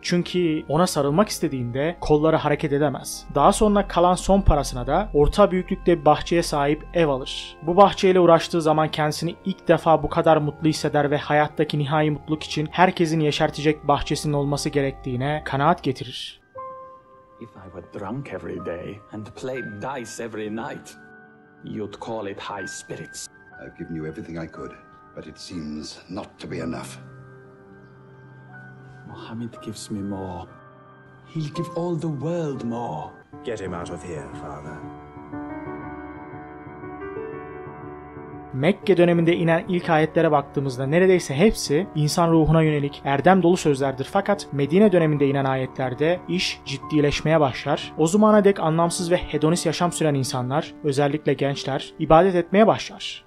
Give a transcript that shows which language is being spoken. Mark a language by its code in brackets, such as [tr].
[tr] Çünkü ona sarılmak istediğinde kolları hareket edemez. Daha sonra kalan son parasına da orta büyüklükte bir bahçeye sahip ev alır. Bu bahçeyle uğraştığı zaman kendisini ilk defa bu kadar mutlu hisseder ve hayattaki nihai mutluluk için herkesin yeşertecek bahçesinin olması gerektiğine kanaat getirir. [en] If I were drunk every day and played dice every night, you'd call it high spirits. I've given you everything I could, but it seems not to be enough. Mohammed gives me more. He'll give all the world more. Get him out of here, father. [tr] Mekke döneminde inen ilk ayetlere baktığımızda neredeyse hepsi insan ruhuna yönelik erdem dolu sözlerdir fakat Medine döneminde inen ayetlerde iş ciddileşmeye başlar. O zamana dek anlamsız ve hedonist yaşam süren insanlar, özellikle gençler, ibadet etmeye başlar.